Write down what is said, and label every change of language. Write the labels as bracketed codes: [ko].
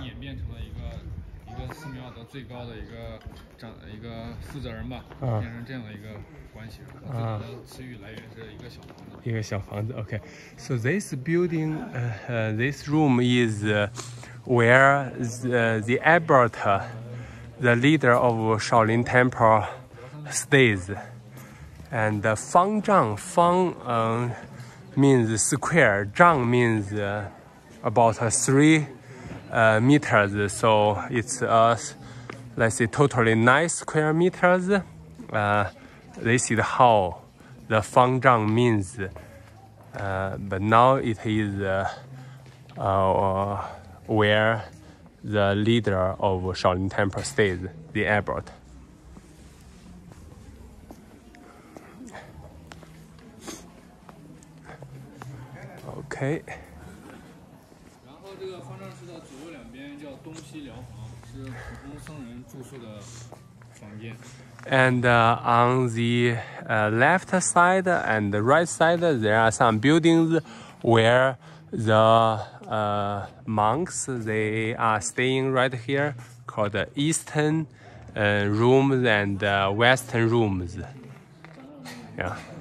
[zh] 演变成了一个寺庙的最高的一个负责人吧，啊，变成这样的一个关系。啊，最早的词语来源是一个小房子，一个小房子。 [en] OK, so this building, this room is where the abbot, the leader of Shaolin Temple, stays. And Fang Zhang, Fang means square, Zhang means about 3 meters, so it's let's say totally 9 square meters. This is how the Fang Zhang means, but now it is where the leader of Shaolin Temple stays, the abbot. Okay. [zh] 然后这个方丈室的左右两边叫东西疗房，是普通僧人住宿的房间。 [en] And on the left side and the right side, there are some buildings where the monks they are staying right here, called the Eastern rooms and Western rooms. Yeah.